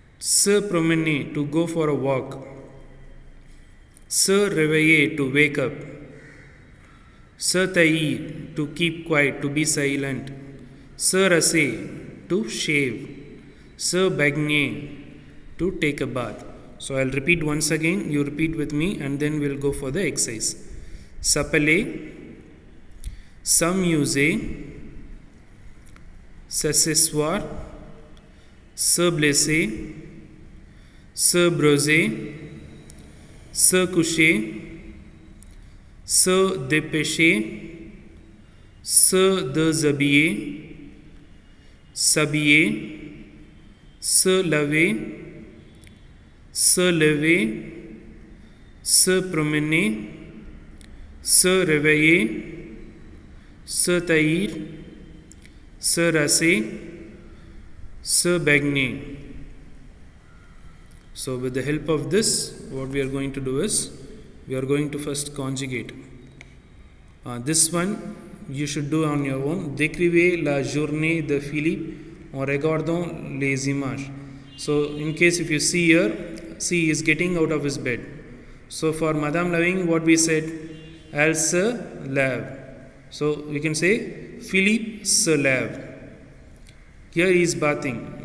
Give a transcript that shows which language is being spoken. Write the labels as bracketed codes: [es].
[fr] Se promener, [en] to go for a walk. [fr] Se réveiller, [en] to wake up. [fr] Se tailler, [en] to keep quiet, to be silent. [fr] Se raser, [en] to shave. [fr] se baigner, [en] to take a bath. So I'll repeat once again, you repeat with me, and then we'll go for the exercise. [fr] S'appeler, s'amuser, s'asseoir, se blesser, se broser, se coucher, se dépêcher, se déshabiller, s'habiller, se laver, se lever, se promener, se réveiller, se tailler, se raser, se baigner. [en] So with the help of this, what we are going to do is, we are going to first conjugate. This one you should do on your own. [fr] Décrivez la journée de Philippe en regardant les images. [en] So in case if you see here, see he is getting out of his bed. So for Madame Lavigne, what we said, [fr] elle se lève. [en] So we can say [fr] Philippe se lève. [en] Here he is bathing.